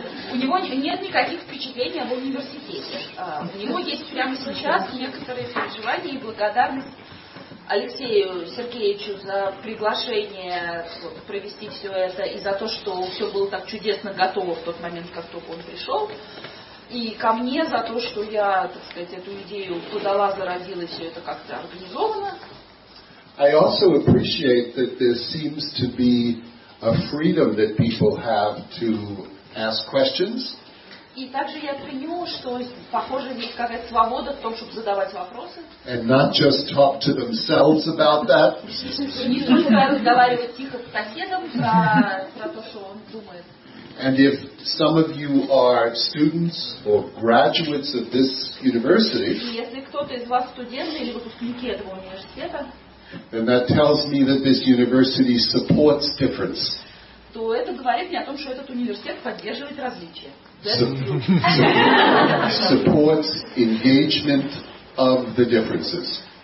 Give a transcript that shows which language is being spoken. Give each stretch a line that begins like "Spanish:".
Russian: У него нет никаких впечатлений об университете. У него есть прямо сейчас некоторые переживания и благодарность Алексею Сергеевичу за приглашение провести все это и за то, что все было так чудесно готово в тот момент, как только он пришел. И ко мне за то, что я, так сказать, эту идею подала, зародила, все это как-то организовано.
English: I also appreciate that there seems to be a freedom that people have to ask questions.
Russian: И также я ценю, что похоже есть какая-то свобода в том, чтобы задавать вопросы.
English: And not just talk to themselves about that.
Russian: Не только разговаривать тихо с соседом про то, что он думает.
English: And if some of you are students or graduates of this university,
Russian: если кто-то из вас студент или выпускник этого университета,
English: then that tells me that this university supports difference.
Russian: То это говорит мне о том, что этот университет поддерживает различия.
English: Supports engagement of the differences.